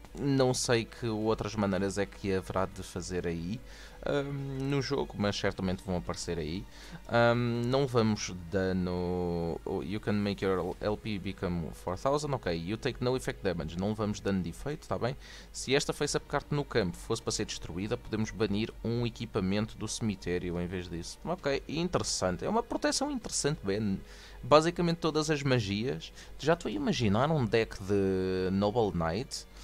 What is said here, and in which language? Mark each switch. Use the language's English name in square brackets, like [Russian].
[Portuguese] Não sei que outras maneiras é que haverá de fazer aí no jogo, mas certamente vão aparecer aí. Não vamos dano. [English] You can make your LP become 4000. Ok, you take no effect damage. [Portuguese] Não vamos dano de efeito, está bem? Se esta face-up card no campo fosse para ser destruída, podemos banir um equipamento do cemitério em vez disso. Ok, interessante. É uma proteção interessante, Ben. Basicamente todas as magias. Já estou a imaginar um deck de Noble Knight.